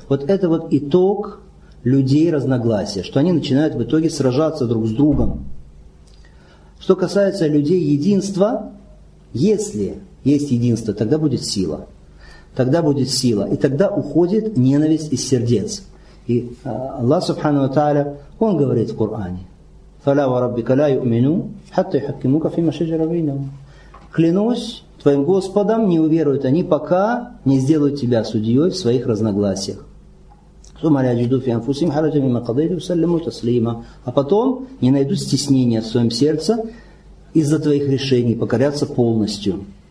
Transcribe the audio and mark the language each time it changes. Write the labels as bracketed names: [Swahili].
[Russian] Вот это вот итог людей разногласия, что они начинают в итоге сражаться друг с другом. Что касается людей единства, если есть единство, тогда будет сила. Тогда будет сила. И тогда уходит ненависть из сердец. И Аллах Субхану ва Тааля, Он говорит в Коране, [Arabic] فَلَا وَرَبِّكَ لَا يُؤْمِنُوا حَتَّى يُحَكِّمُوكَ فِي مَا شَجَرَ بَيْنَهُمْ. [Russian] Клянусь твоим Господом, не уверуют они, пока не сделают тебя судьей в своих разногласиях. [Arabic] ثُمَا لَا يَجُدُوا فِي أَنفُسِهِمْ حَرَجًا مِمَّا قَضَيْتَ وَسَلِّمُوا تَسْلِيمًا. [Russian] А потом не найдут стеснения в своем сердце из-за твоих решений, покорятся полностью.